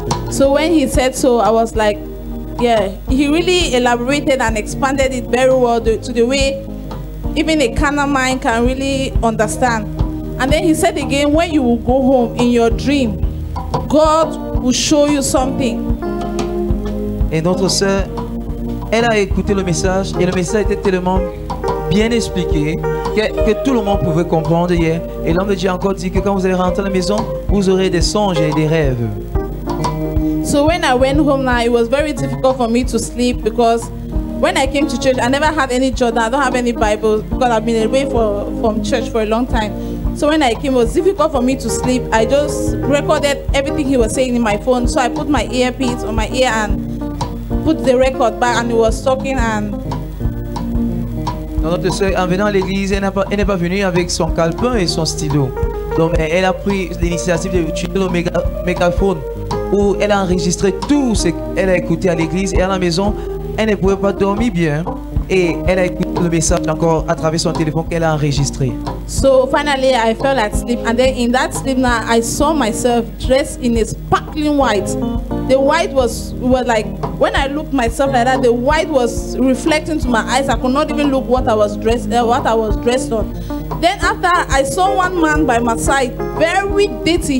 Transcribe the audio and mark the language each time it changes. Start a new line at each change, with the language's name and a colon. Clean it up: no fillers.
English: So when he said so, I was like, yeah, he really elaborated and expanded it very well to the way even a carnal mind can really understand. And then he said again, when you will go home in your dream, God will show you something.
French: Et notre sœur, elle a écouté le message, et le message était tellement bien expliqué que tout le monde pouvait comprendre hier. Et l'homme de Dieu a encore dit que quand vous allez rentrer à la maison, vous aurez des songes et des rêves.
English: So when I went home now, it was very difficult for me to sleep, because when I came to church, I never had any journal, I don't have any Bible, because I've been away from church for a long time. So when I came, it was difficult for me to sleep. I just recorded everything he was saying in my phone. So I put my earpiece on my ear and put the record back, and he was talking. And
French: notre soeur, en venant à l'église, elle n'est pas venue avec son calepin et son stylo. Donc elle a pris l'initiative d'utiliser le mégaphone, où elle a enregistré tout ce qu'elle a écouté à l'église et à la maison. Elle ne pouvait pas dormir bien et elle a écouté le message encore à travers son téléphone qu'elle a enregistré.
English: So finally I fell asleep, and then in that sleep now I saw myself dressed in a sparkling white. The white was like, when I looked myself like that, the white was reflecting to my eyes. I could not even look what I was dressed on. Then after, I saw one man by my side, very dirty.